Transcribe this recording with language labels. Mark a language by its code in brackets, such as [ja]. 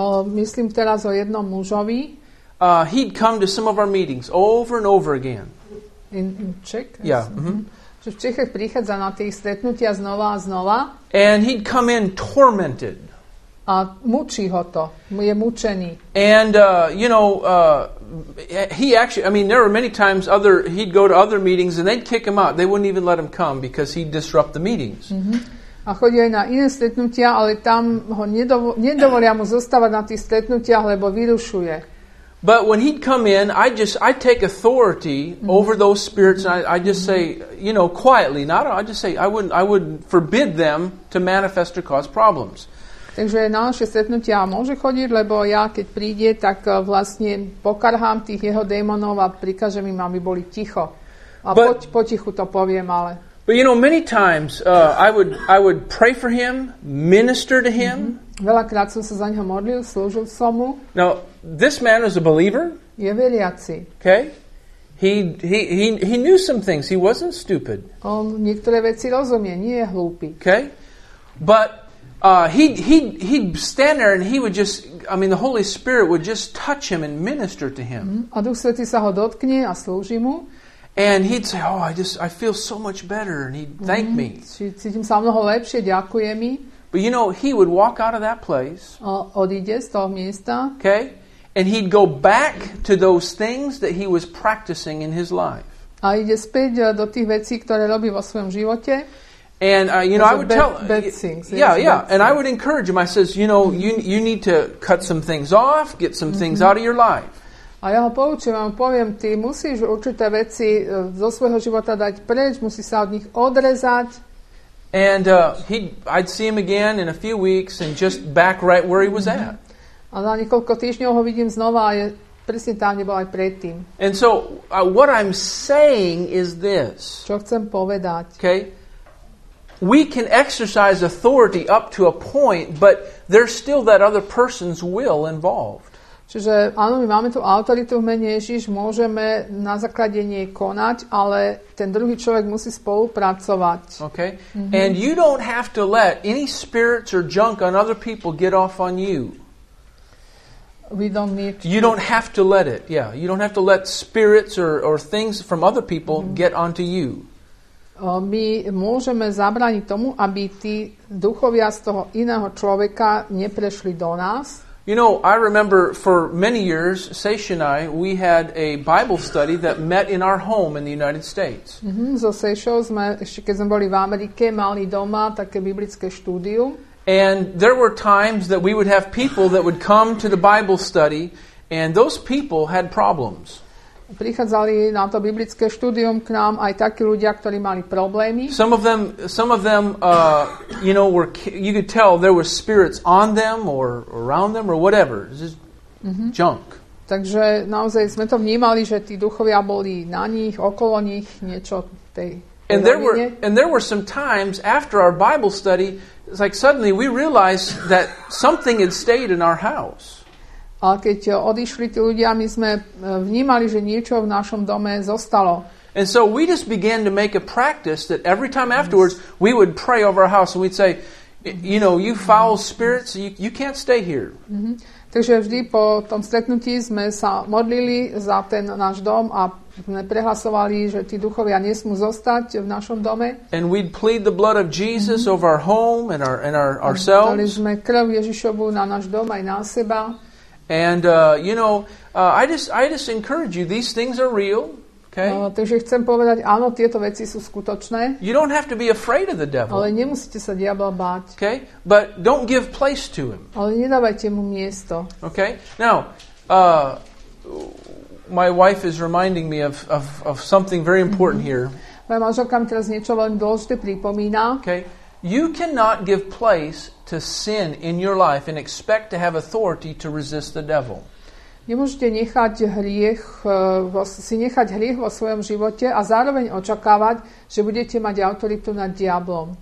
[sk] Myslím teraz o jednom mužovi. [en] He'd come to some of our meetings over and over again. In Czech? Yeah. [sk] Čo v Čechách prichádza na tie stretnutia znova a znova. [en] And he'd come in tormented. [sk] A mučí ho to. Je mučený. [en] And, you know, he actually, I mean, there were many times he'd go to other meetings and they'd kick him out. They wouldn't even let him come because he'd disrupt the meetings. [sk] Mm-hmm. A chodí aj na iné stretnutia, ale tam ho nedovolia mu zostávať na tých stretnutiach, lebo vyrušuje. [en] But when he'd come in, I take authority over those spirits and I just say, you know, quietly, I would forbid them to manifest or cause problems. [sk] Takže na naše stretnutia môže chodiť, lebo ja keď príde, tak vlastne pokarhám tých jeho démonov a prikážem im, aby boli ticho. A potichu to poviem, ale. [en] But you know, many times I would pray for him, minister to him. [sk] Veľakrát som sa za neho modlil, slúžil som mu. [en] Now, this man is a believer. [sk] Je veriaci. [en] Okay? He knew some things. He wasn't stupid. [sk] On niektoré veci rozumie, nie je hlúpy. [en] Okay? But he'd stand there and he would just, I mean, the Holy Spirit would just touch him and minister to him. [sk] A Duch Svätý sa ho dotkne a slúži mu. [en] And he'd say, oh, I feel so much better. And he'd thank me. [sk] Cítim sa mnoho lepšie, ďakuje mi. [en] But you know, he would walk out of that place. [sk] Odíde z toho miesta. [en] Okay? And he'd go back to those things that he was practicing in his life. [sk] A ide späť do tých vecí, ktoré robí vo svojom živote. [en] And you know, I would tell bad things. Yeah. And I would encourage him. I says, you know, you need to cut some things off, get some things out of your life. [sk] A ja ho poučím, a poviem, ty musíš určité veci zo svojho života dať preč, musíš sa od nich odrezať. [en] And I'd see him again in a few weeks and just back right where he was at. [sk] A za niekoľko týždňov ho vidím znova a je presne tam, kde bol aj predtým. [en] And so what I'm saying is this. [sk] Čo chcem povedať? [en] Okay. We can exercise authority up to a point, but there's still that other person's will involved. [sk] Čiže áno, my máme tú autoritu v mene Ježiš, môžeme na základe nej konať, ale ten druhý človek musí spolupracovať. [en] Okay. Mm-hmm. And you don't have to let any spirits or junk on other people get off on you. We don't need to. You don't have to let it. Yeah, you don't have to let spirits or things from other people get onto you. [sk] My môžeme zabrániť tomu, aby tí duchovia z toho iného človeka neprešli do nás. [en] You know, I remember for many years, Seish and I, we had a Bible study that met in our home in the United States. [sk] So Seishou sme, ešte keď sme boli v Amerike, mali doma také biblické štúdium. [en] And there were times that we would have people that would come to the Bible study, and those people had problems. [sk] Prichádzali na to biblické štúdium k nám aj takí ľudia, ktorí mali problémy. [en] Some of them you know, were, you could tell there were spirits on them or around them or whatever. Just junk. [sk] Takže naozaj sme to vnímali, že tí duchovia boli na nich, okolo nich, niečo tej. [en] And there were some times after our Bible study, it's like suddenly we realized that something had stayed in our house. [sk] A keď odišli tí ľudia, my sme vnímali, že niečo v našom dome zostalo. [en] And so we just began to make a practice that every time afterwards we would pray over our house and we'd say, you know, you foul spirits, you can't stay here. [sk] Takže vždy po tom stretnutí sme sa modlili za ten náš dom a prehlasovali, že tí duchovia nesmú zostať v našom dome. [en] And we'd plead the blood of Jesus over our home and ourselves. [sk] Dali sme krv Ježišovu na náš dom aj na seba. [en] And you know, I just encourage you, these things are real, okay? [sk] Takže chcem povedať, áno, tieto veci sú skutočné. [en] You don't have to be afraid of the devil. [sk] Ale nemusíte sa diabla báť. [en] Okay? But don't give place to him. [sk] Ale nedávajte mu miesto. [en] Okay? Now, my wife is reminding me of something very important here. [sk] Moja manželka mi teraz niečo veľmi dôležité pripomína. [en] Okay? You cannot give place to sin in your life and expect to have authority to resist the devil. [sk] Nemôžete nechať hriech, si nechať hriech vo svojom živote a zároveň očakávať, že budete mať autoritu nad diablom.